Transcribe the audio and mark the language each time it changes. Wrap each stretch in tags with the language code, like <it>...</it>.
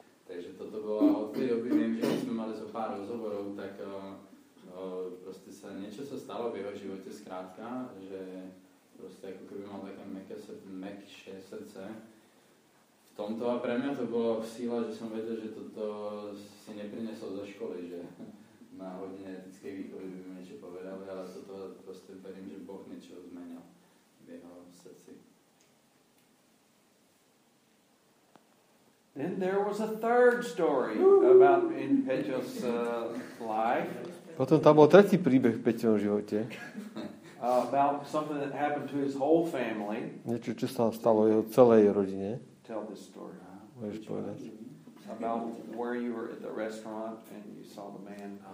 <sk>Takže toto bolo, od tej doby viem, že sme mali zo pár rozhovorov, tak proste sa niečo sa stalo v jeho živote skrátka, že proste ako keby mal také mekšie srdce v tomto a pre mňa to bolo v síle, že som vedel, že toto si neprinesol zo školy, že na hodine etickej výchovy by mi niečo povedali, ale toto proste verím, že Boh niečo zmenil v jeho srdci.</sk> <en>Then there was a third story about in Peťo's life.</en> <sk>Potom tam bol tretí príbeh v Peťovom živote.</sk> <en>About something that happened to his whole family.</en> <sk>Niečo, čo sa stalo jeho celej rodine.</sk> <en>Tell this story.</en> <sk>Môžeš povedať.</sk> <en>About where you were at the restaurant and you saw the man.</en>